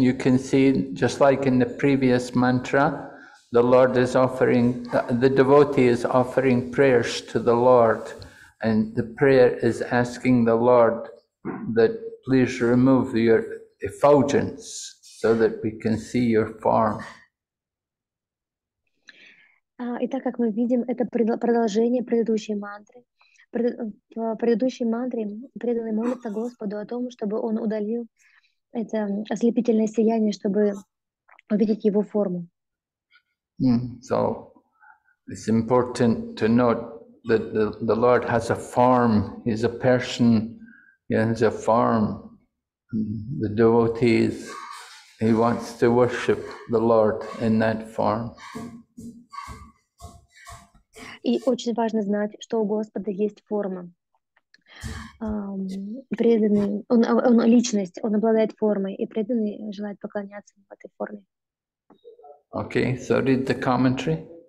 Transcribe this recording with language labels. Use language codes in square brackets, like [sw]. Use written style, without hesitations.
[en] You can see, just like in the previous mantra, the Lord is offering, the devotee is offering prayers to the Lord, and the prayer is asking the Lord that please remove your effulgence so that we can see your form. [ru] И так как мы видим, это продолжение предыдущей мантры. В предыдущей мантре преданный молится Господу о том, чтобы он удалил это ослепительное сияние, чтобы увидеть его форму. [en] So it's important to note that the Lord has a form. He's a person. He has a form. The devotees, he wants to worship the Lord in that form. [ru] И очень важно знать, что у Господа есть форма. Преданный, он личность, он обладает формой, и преданный желает поклоняться в этой форме. [en] Okay, so read the commentary.